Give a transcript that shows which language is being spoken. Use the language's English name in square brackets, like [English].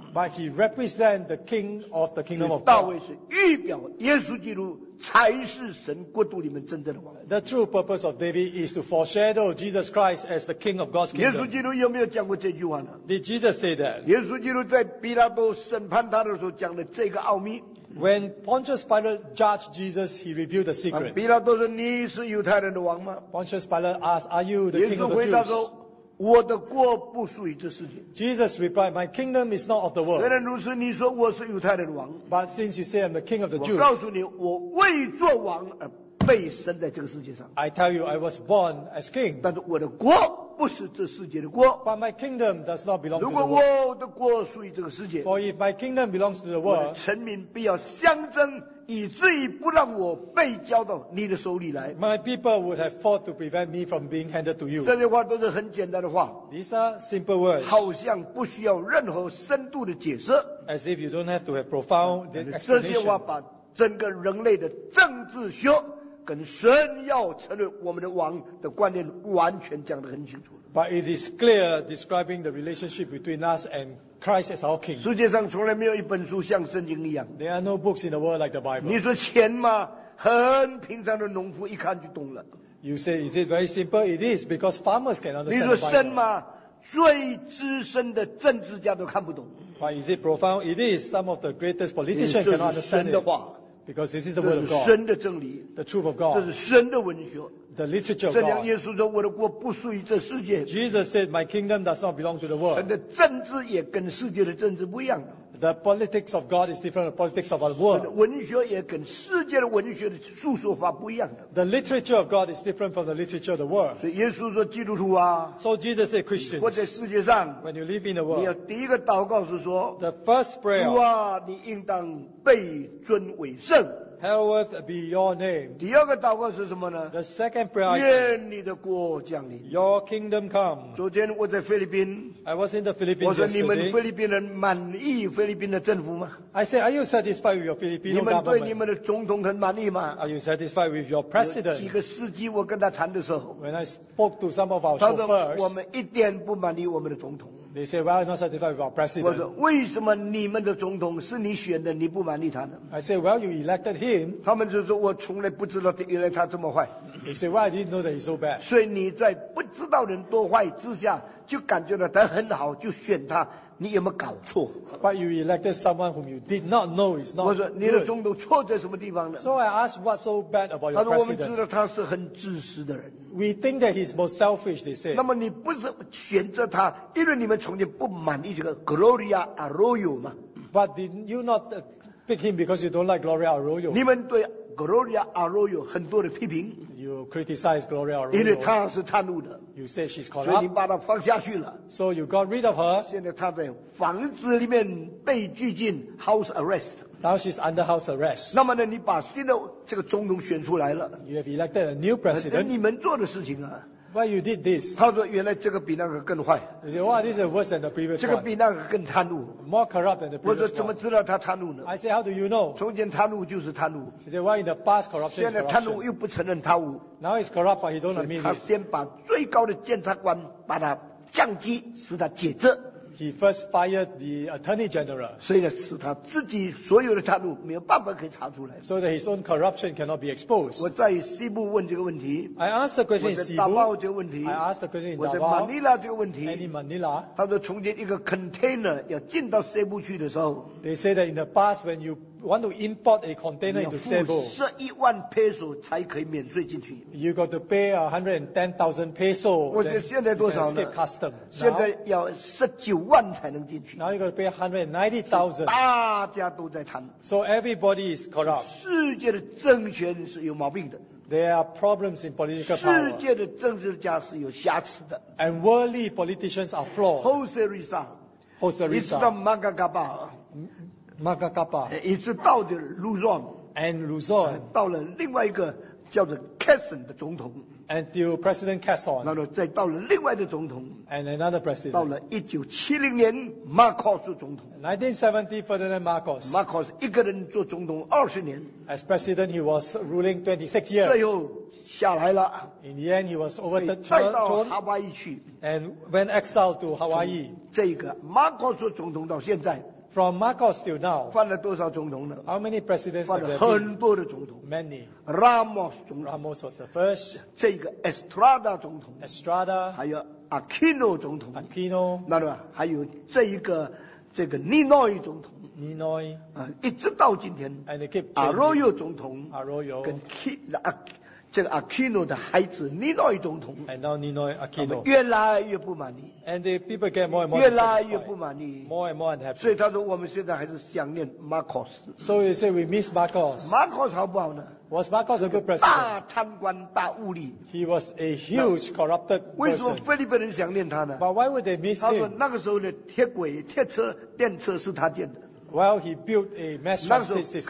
[English] But he represents the king of the kingdom of God. [Chinese] 大卫是预表耶稣基督。才是神国度里面真正的王。 [English] The true purpose of David is to foreshadow Jesus Christ as the King of God's kingdom. [Chinese] 耶稣基督有没有讲过这句话呢 [English] ？Did Jesus say that? [Chinese] 耶稣基督在比拉多审判他的时候讲了这个奥秘。 [English] When Pontius Pilate judged Jesus, he revealed the secret. [Chinese] 比拉多说：“你是犹太人的王吗 [English] ？”Pontius Pilate asked, "Are you the king of the Jews?" [Chinese] 耶稣回答说。我的国不属于这世界。 [English] Jesus replied, "My kingdom is not of the world." [Chinese] 虽然如此，你说我是犹太人王。 [English] But since you say I'm the king of the Jews, [Chinese] 我告诉你，我未做王而被生在这个世界上。 [English] I tell you, I was born as king. [Chinese] 但是我的国不是这世界的国。 [English] But my kingdom does not belong to the world. [Chinese] 如果我的国属于这个世界 [English] ，For if my kingdom belongs to the world, [Chinese] 我的臣民必要相争。以至于不让我被交到你的手里来。 [English] My people would have fought to prevent me from being handed to you. [Chinese] 这些话都是很简单的话。 [English] These are simple words. [Chinese] 好像不需要任何深度的解释。 [English] As if you don't have to have profound explanation. [Chinese] 这些话把整个人类的政治学跟神要成为我们的王的观念完全讲得很清楚。 [English] But it is clear describing the relationship between us and Christ as our King. [Chinese] 世界上从来没有一本书像圣经一样。 [English] There are no books in the world like the Bible. [Chinese] 你说钱吗？很平常的农夫一看就懂了。 [English] You say is it very simple? It is because farmers can understand. [Chinese] 你说深吗？最资深的政治家都看不懂。 [English] But is it profound? It is. Some of the greatest politicians can understand it. Because this is the word of God. [Chinese] 这是深的真理。 [English] The truth of God. [Chinese] 这是深的文学。 [English] The literature of God. [Chinese] 正如耶稣说，我的国不属于这世界。 [English] Jesus said, "My kingdom does not belong to the world." [Chinese] 它的政治也跟世界的政治不一样。 [English] The politics of God is different from the politics of our world. [Chinese] 文学也跟世界的文学的诉说法不一样的。 [English] The literature of God is different from the literature of the world. [Chinese] 所以耶稣说基督徒啊, [English] so Jesus said, Christians, [Chinese] 活在世界上, [English] when you live in the world, [Chinese] 你要第一个祷告是说, [English] the first prayer, [Chinese] 主啊, 你应当被尊为圣。 [English] Hallowed be your name. [Chinese] 第二个祷告是什么呢? [English] The second prayer, [Chinese] 愿你的国降临。 [English] Your kingdom come. [Chinese] 昨天我在菲律宾, [English] I was in the Philippines [Chinese] 我说, [English] yesterday. [Chinese] 你们菲律宾人满意菲律宾的政府吗? [English] I said, are you satisfied with your Filipino government? [Chinese] 你们对你们的总统很满意吗? [English] Are you satisfied with your president? [Chinese] 几个司机我跟他谈的时候, [English] when I spoke to some of our chauffeurs, [Chinese] 他说, 我们一点不满意我们的总统。 [English] They say, well, I'm not satisfied with our president. [Chinese] 我说, 为什么你们的总统是你选的, 你不满意他呢? [English] I said, well, you elected him. [Chinese] 他们就说, 我从来不知道他原来他这么坏。 [English] He said, well, I didn't know that he's so bad. [Chinese] 所以你在不知道人多坏之下, 就感觉到他很好, 就选他, 你有没有搞错? [English] But you elected someone whom you did not know is not [Chinese] 我说, [English] good. [Chinese] 你的总统错在什么地方呢? [English] So I asked, what's so bad about your [Chinese] 他说, [English] president? [Chinese] 我们知道他是很自私的人。 [English] We think that he's most selfish, they say. [Chinese] 那么你不是选择他, 因为你们从前不满意这个 Gloria Arroyo 吗? [English] But did you not pick him because you don't like Gloria Arroyo? [Chinese] 你们对 Gloria Arroyo 很多的批评。 [English] You criticize Gloria Arroyo. [Chinese] 因为她是贪污的。 [English] You say she's corrupt. [Chinese] 所以你把她放下去了。 [English] So you got rid of her. [Chinese] 现在她在房子里面被拘禁, [English] house arrest. Now she's under house arrest. [Chinese] 那么呢, 你把新的这个总统选出来了。 [English] You have elected a new president. [Chinese] 那你们做的事情啊, [English] but you did this. [Chinese] 他说原来这个比那个更坏。 [English] You say, wow, this is worse than the previous one. [Chinese] 这个比那个更贪污。 [English] More corrupt than the previous one. [Chinese] 我说怎么知道他贪污呢? [English] I say, how do you know? [Chinese] 从前贪污就是贪污。 [English] He said, why in the past corruption is corruption? [Chinese] 现在贪污又不承认贪污。 [English] Now he's corrupt, but he don't admit it. [Chinese] 他先把最高的检察官把他降级，使他解职。 [English] He first fired the attorney general. [Chinese] 所以呢，使他自己所有的贪污没有办法可以查出来。 [English] So that his own corruption cannot be exposed. [Chinese] 我在西部问这个问题。 [English] I asked the question in [Chinese] 西部。我在达巴这个问题。 [English] I asked the question in [Chinese] 达巴。我在马尼拉这个问题。 [English] And in Manila. [Chinese] 他说从前一个 container 要进到西部去的时候。 [English] They say that in the past when you want to import a container into Cebu, [Chinese] 11万peso才可以免税进去。 [English] You got to pay 110,000 peso. [Chinese] 我说现在多少呢? [English] Escape custom. [Chinese] 现在要19万才能进去。 [English] Now you got to pay 190,000. [Chinese] 大家都在谈。 [English] So everybody is corrupt. [Chinese] 世界的政权是有毛病的。 [English] There are problems in political power. [Chinese] 世界的政治家是有瑕疵的。 [English] And worldly politicians are flawed. Jose Rizal. Jose Rizal. [Chinese] 一直到Magagaba。 [English] Magagapa, [Chinese] 一直到的 Luzon, [English] and Luzon, [Chinese] 到了另外一个叫做 Quezon 的总统, [English] until President Quezon, [Chinese] 然后再到了另外的总统, [English] and another president, [Chinese] 到了1970年 Marcos 总统, [English] 1970 Ferdinand Marcos, [Chinese] Marcos 一个人做总统20年, [English] as president he was ruling 26 years, [Chinese] 最后下来了, [English] in the end he was overthrown, and went exiled to Hawaii, [Chinese] 这个 Marcos 总统到现在, [English] from Marcos till now, [Chinese] 犯了多少总统呢? [English] How many presidents have there been? [Chinese] 犯了很多的总统, [English] many. [Chinese] Ramos 总统, [English] Ramos was the first. [Chinese] 这个 Estrada 总统, [English] Estrada. [Chinese] 还有 Aquino 总统, [English] Aquino. [Chinese] 那么还有这个 Ninoy 总统, [English] Ninoy. [Chinese] 一直到今天, [English] and they keep [Chinese] Arroyo 总统, [English] Arroyo. [Chinese] 这个 Aquino 的孩子 Ninoy 总统, [English] and now Ninoy Aquino [Chinese] 越来越不满意, [English] and the people get more and more [Chinese] 越来越不满意, [English] more and more unhappy. [Chinese] 所以他说我们现在还是想念 Marcos. [English] So you say we miss Marcos. [Chinese] Marcos 好不好呢? [English] Was Marcos a good president? [Chinese] 大贪官大污吏. [English] He was a huge corrupted person. [Chinese] 为什么菲律宾人想念他呢? [English] But why would they miss him? [Chinese] 他说那个时候的铁轨铁车电车是他建的。 [English] Well, he built a mass transit system.